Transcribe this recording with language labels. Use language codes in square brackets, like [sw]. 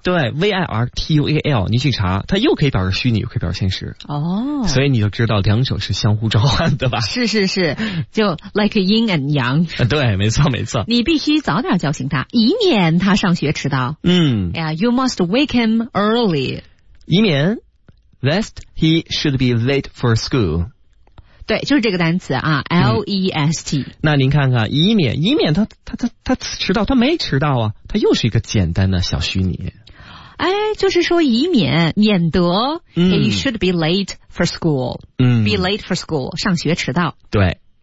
[zh] 对， virtual， 你去查，它又可以表示虚拟又可以表示现实。哦，所以你就知道两者是相互召唤的吧。是是是，就 [en] like yin and yang。 [zh] 对，没错没错，你必须早点叫醒他，以免他上学迟到。嗯， [en] yeah, you must wake him early， [zh] 以免 [en] lest he should be late for school。 [zh] 对，就是这个单词啊 ,L-E-S-T、那您看看，以免他迟到，他没迟到啊，他又是一个简单的小虚拟。哎，就是说以免，免得、 [en] he should be late for school,、 [zh] be late for school, 上学迟到。对。